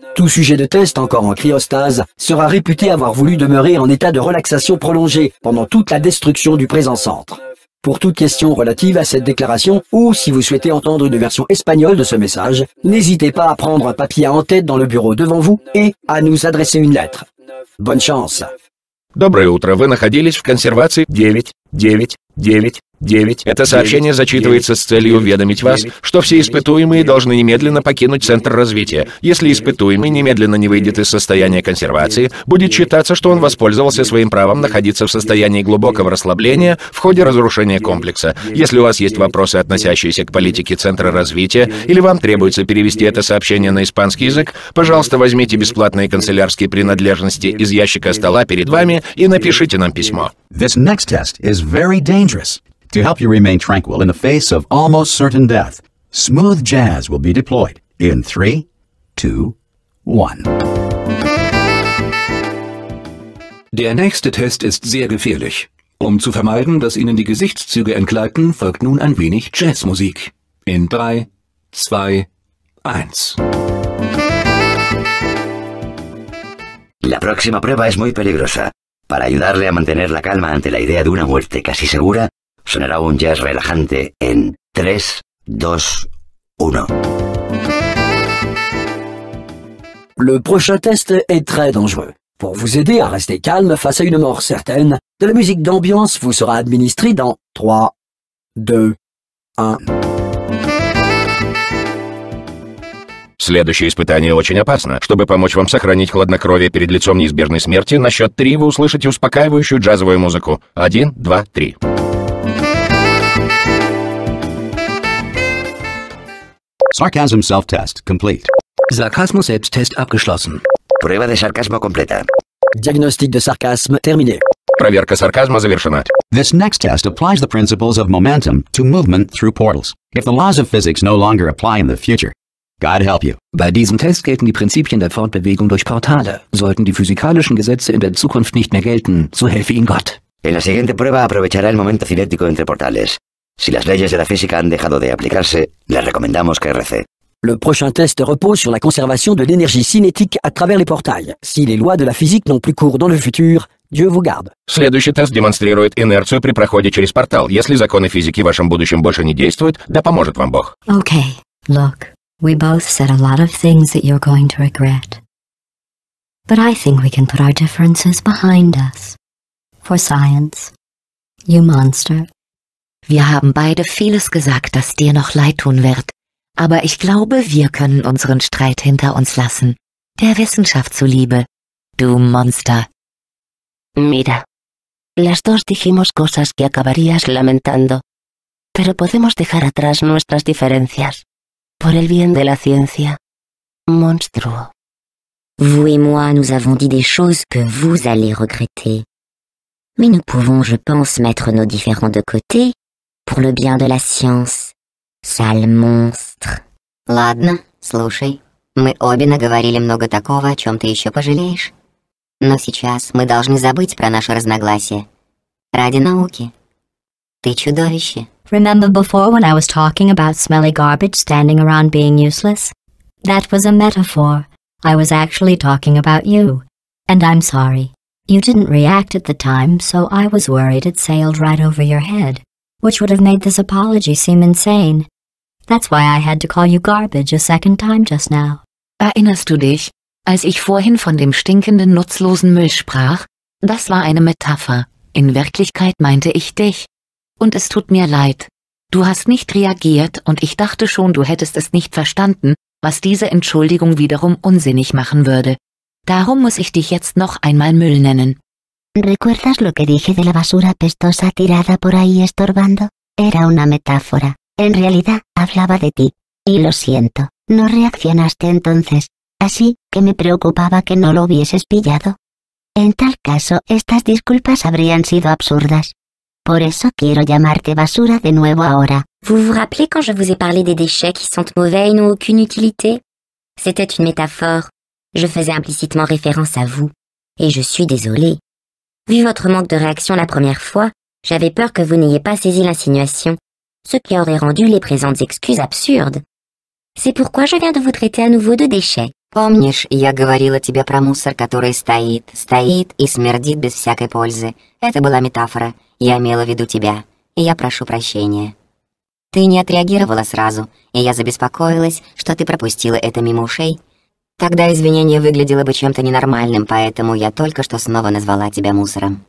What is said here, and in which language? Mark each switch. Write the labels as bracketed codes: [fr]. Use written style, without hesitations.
[fr] Tout sujet de test encore en cryostase sera réputé avoir voulu demeurer en état de relaxation prolongée pendant toute la destruction du présent centre. Pour toute question relative à cette déclaration, ou si vous souhaitez entendre une version espagnole de ce message, n'hésitez pas à prendre un papier en tête dans le bureau devant vous et à nous adresser une lettre. Bonne chance. [ru] Доброе утро, вы находились в консервации 9999. Это сообщение зачитывается с целью уведомить вас, что все испытуемые должны немедленно покинуть центр развития. Если испытуемый немедленно не выйдет из состояния консервации, будет считаться, что он воспользовался своим правом находиться в состоянии глубокого расслабления в ходе разрушения комплекса. Если у вас есть вопросы, относящиеся к политике центра развития, или вам требуется перевести это сообщение на испанский язык, пожалуйста, возьмите бесплатные канцелярские принадлежности из ящика стола перед вами и напишите нам письмо. [en] This next test is very dangerous. To help you remain tranquil in the face of almost certain death, smooth jazz will be deployed in 3, 2, 1. [de] Der nächste Test ist sehr gefährlich. Um zu vermeiden, dass Ihnen die Gesichtszüge entgleiten, folgt nun ein wenig Jazzmusik. In 3, 2, 1. [es] La próxima prueba es muy peligrosa. Para ayudarle a mantener la calma ante la idea de una muerte casi segura, sonará un jazz relajante en 3, 2, 1. [fr] Le prochain test est très dangereux. Pour vous aider à rester calme face à une mort certaine, de la musique d'ambiance vous sera administrée dans 3, 2, 1. [ru] Следующее испытание очень опасно. Чтобы помочь вам сохранить хладнокровие перед лицом неизбежной смерти, на счет 3 вы услышите успокаивающую джазовую музыку. 1, 2, 3. [en] Sarcasm self-test complete. [de] Sarcasmus selbst-test abgeschlossen. [es] Prueba de sarcasmo completa. [fr] Diagnostic de sarcasmo terminé. [ru] Проверка сарказма завершена. [en] This next test applies the principles of momentum to movement through portals. If the laws of physics no longer apply in the future, God help you. [de] Bei diesem Test gelten die Prinzipien der Fortbewegung durch Portale. Sollten die physikalischen Gesetze in der Zukunft nicht mehr gelten, so helfe Ihnen Gott. [es] En la siguiente prueba aprovechará el momento cinético entre portales. Si las leyes de la física han dejado de aplicarse, le recomendamos que rece. [fr] Le prochain test repose sur la conservation de l'énergie cinétique à travers les portails. Si les lois de la physique n'ont plus cours dans le futur, Dieu vous garde. [ru] Следующий тест демонстрирует инерцию при проходе через портал. Если законы физики в вашем будущем больше не действуют, да поможет вам Бог. [en] Okay, look. We both said a lot of things that you're going to regret. But I think we can put our differences behind us. For science. You monster. [de] Wir haben beide vieles gesagt, das dir noch leid tun wird. Aber ich glaube, wir können unseren Streit hinter uns lassen. Der Wissenschaft zuliebe. Du Monster. [es] Mira. Las dos dijimos cosas que acabarías lamentando. Pero podemos dejar atrás nuestras diferencias. Por el bien de la ciencia. Monstruo. [fr] Vous et moi nous avons dit des choses que vous allez regretter. Mais nous pouvons, je pense, mettre nos différends de côté pour le bien de la science. Sale monstre. [ru] Ладно, слушай. Мы обе наговорили много такого, о чем ты еще пожалеешь. Но сейчас мы должны забыть про наше разногласие. Ради науки. Ты чудовище. [en] Remember before when I was talking about smelly garbage standing around being useless? That was a metaphor. I was actually talking about you. And I'm sorry. You didn't react at the time, so I was worried it sailed right over your head. Which would have made this apology seem insane. That's why I had to call you garbage a second time just now. [de] Erinnerst du dich, als ich vorhin von dem stinkenden, nutzlosen Müll sprach? Das war eine Metapher. In Wirklichkeit meinte ich dich. Und es tut mir leid. Du hast nicht reagiert und ich dachte schon, du hättest es nicht verstanden, was diese Entschuldigung wiederum unsinnig machen würde. Darum muss ich dich jetzt noch einmal Müll nennen. [es] ¿Recuerdas lo que dije de la basura pestosa tirada por ahí estorbando? Era una metáfora. En realidad, hablaba de ti. Y lo siento, no reaccionaste entonces. Así que me preocupaba que no lo hubieses pillado. En tal caso, estas disculpas habrían sido absurdas. Por eso quiero llamarte basura de nuevo ahora. [fr] ¿Vous vous rappelez quand je vous ai parlé des déchets qui sont mauvais et n'ont aucune utilité? C'était une métaphore. Je faisais implicitement référence à vous. Et je suis désolée. Vu votre manque de réaction la première fois, j'avais peur que vous n'ayez pas saisi l'insinuation. Ce qui aurait rendu les présentes excuses absurdes. C'est pourquoi je viens de vous traiter à nouveau de déchets. [ru] Помнишь, я говорила тебе про мусор, который стоит, стоит и смердит без всякой пользы. Это была метафора. Я имела в виду тебя. И я прошу прощения. Ты не отреагировала сразу, и я забеспокоилась, что ты пропустила это мимо ушей. Тогда извинение выглядело бы чем-то ненормальным, поэтому я только что снова назвала тебя мусором.